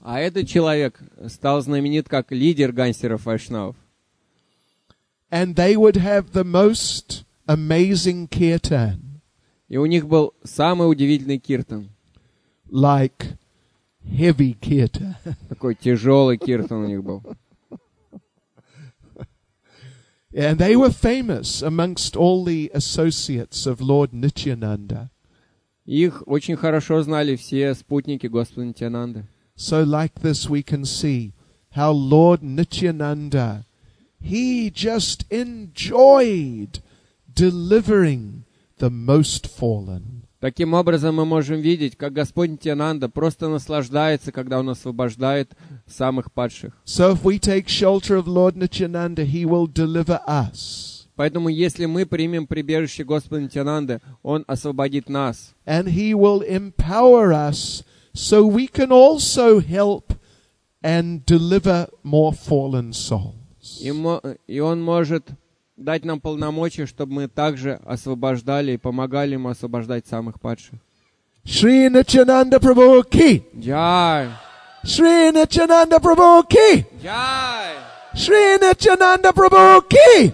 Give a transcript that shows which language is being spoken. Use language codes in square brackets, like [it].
[ru] А этот человек стал знаменит как лидер гангстеров Вайшнав. [en] And they would have the most amazing kirtan. [ru] И у них был самый удивительный киртан. [en] Like heavy kirtan. [ru] Такой тяжелый киртан у них был. [en] And they were famous amongst all the associates of Lord Nityananda. [ru] Их очень хорошо знали все спутники Господа Нитьянанды. [en] So like this we can see how Lord Nityananda, he just enjoyed delivering the most fallen. [ru] Таким образом мы можем видеть, как Господь Нитьянанда просто наслаждается, когда Он освобождает самых падших. [en] So if we take shelter of Lord Nityananda, He will deliver us. [ru] Поэтому, если мы примем прибежище Господа Нитьянанды, Он освободит нас. [en] And He will empower us, so we can also help and deliver more fallen souls. [ru] И Он может дать нам полномочия, чтобы мы также освобождали и помогали ему освобождать самых падших. Шри Нитьянанда Прабху ки! Джай! Шри Нитьянанда Прабху ки! Джай! Шри Нитьянанда Прабху ки!